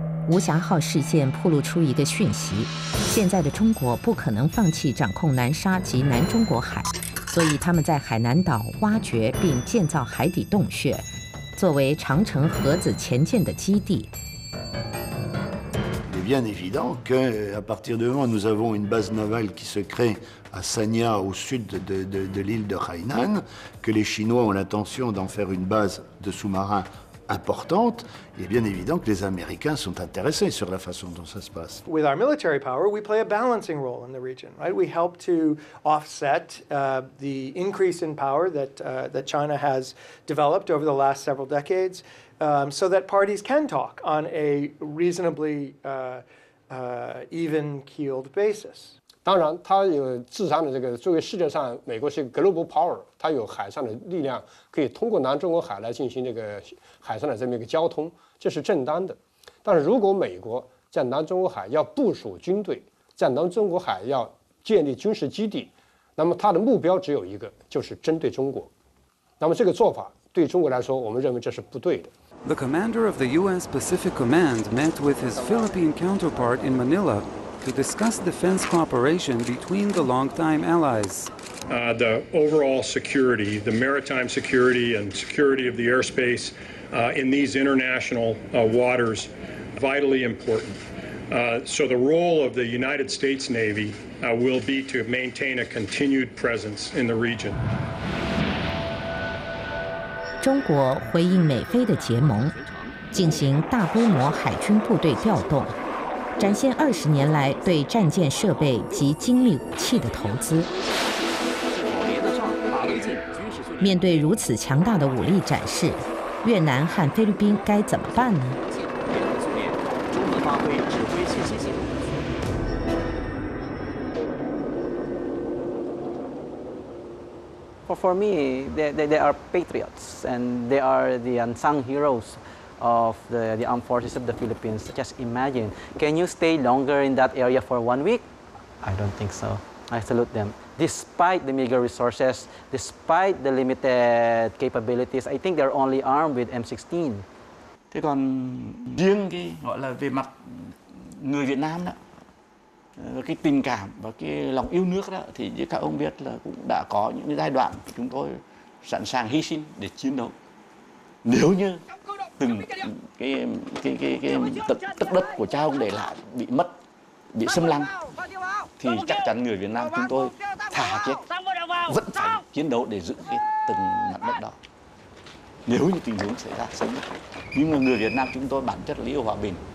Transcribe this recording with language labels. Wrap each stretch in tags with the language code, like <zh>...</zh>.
<zh>无暇号事件暴露出一个讯息，现在的中国不可能放弃掌控南沙及南中国海，所以他们在海南岛挖掘并建造海底洞穴，作为长城核子潜舰的基地。</zh> <fr>Il est bien évident que, à partir de là, nous avons une base navale qui se crée à Sanya, au sud de l'île de Hainan, que les Chinois ont l'intention d'en faire une base de sous-marins importante, il est bien évident que les Américains sont intéressés sur la façon dont ça se passe.</fr> <en>With our military power, we play a balancing role in the region, right? We help to offset the increase in power that, that China has developed over the last several decades, so that parties can talk on a reasonably even-keeled basis.</en> <zh>当然，它有自身的这个作为世界上美国是</zh> <en>global power，</en> <zh>它有海上的力量，可以通过南中国海来进行这个海上的这么一个交通，这是正当的。但是如果美国在南中国海要部署军队，在南中国海要建立军事基地，那么它的目标只有一个，就是针对中国。那么这个做法对中国来说，我们认为这是不对的。</zh> <en>The commander of the U.S. Pacific Command met with his Philippine counterpart in Manila. To discuss defense cooperation between the longtime allies. The overall security, the maritime security and security of the airspace in these international waters, vitally important. So the role of the United States Navy will be to maintain a continued presence in the region.</en> <zh>中国回应美菲的结盟，进行大规模海军部队调动。展现二十年来对战舰设备及精密武器的投资。面对如此强大的武力展示，越南和菲律宾该怎么办呢？</zh> <en>For me, they are patriots and they are the unsung heroes. Of the armed forces of the Philippines. Just imagine, can you stay longer in that area for 1 week? I don't think so. I salute them. Despite the meager resources, despite the limited capabilities, I think they're only armed with M16.</en> <vi>Thế còn riêng cái gọi là về mặt người Việt Nam đó, cái tình cảm và cái lòng yêu nước đó, thì như các ông biết là cũng đã có những giai đoạn chúng tôi sẵn sàng hy sinh để chiến đấu. Nếu như từng cái tất đất của cha ông để lại bị mất bị xâm lăng thì chắc chắn người Việt Nam chúng tôi thà chết vẫn phải chiến đấu để giữ cái từng mảnh đất đó nếu như tình huống xảy ra sớm nhất nhưng mà người Việt Nam chúng tôi bản chất là yêu hòa bình</vi>